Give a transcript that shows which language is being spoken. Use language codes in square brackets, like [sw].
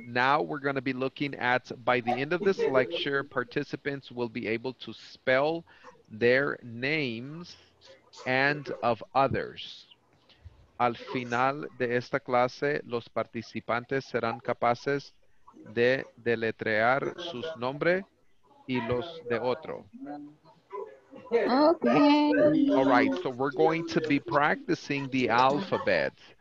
[en] Now we're going to be looking at, by the end of this lecture, participants will be able to spell their names and of others. [es] Al final de esta clase, los participantes serán capaces de deletrear sus nombres y los de otro. [en] Okay. All right, so we're going to be practicing the alphabet.